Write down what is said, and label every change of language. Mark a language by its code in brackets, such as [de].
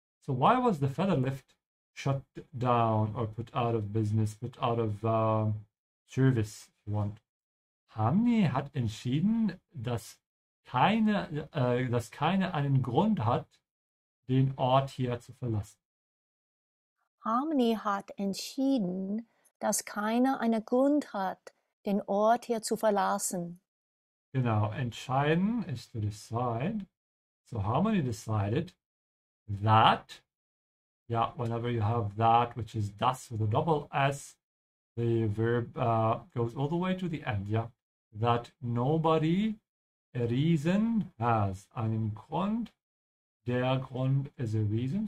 [en] So why was the Federlift shut down or put out of business, put out of service, if you want? [de] Hamni hat entschieden, dass keiner einen Grund hat, den Ort hier zu verlassen. Harmony hat entschieden, dass keiner einen Grund hat, den Ort hier zu verlassen. Genau, entscheiden ist [en] to decide. So Harmony decided that, yeah, whenever you have that, which is das with a double S, the verb goes all the way to the end, yeah, that nobody reason has einen Grund, der Grund is a reason.